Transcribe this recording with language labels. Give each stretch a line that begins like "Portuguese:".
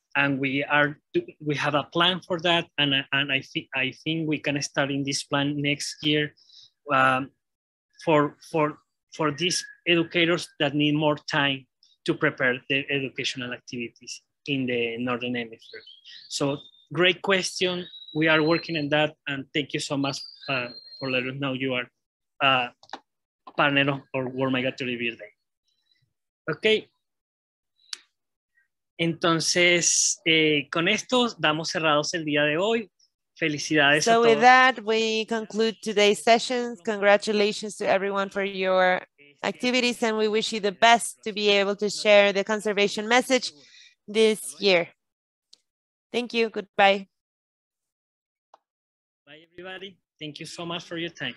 English: And we have a plan for that. And I think we can start in this plan next year for these educators that need more time to prepare their educational activities in the Northern Hemisphere. So great question. We are working on that. And thank you so much for letting us know you are a partner or World Migratory Birthday. Okay.
Spanish: Entonces, con esto damos cerrados el día de hoy. Felicidades
English: so
Spanish: a todos.
English: With that, we conclude today's session. Congratulations to everyone for your activities, and we wish you the best to be able to share the conservation message this year. Thank you. Goodbye. Bye, everybody. Thank you so much for your time.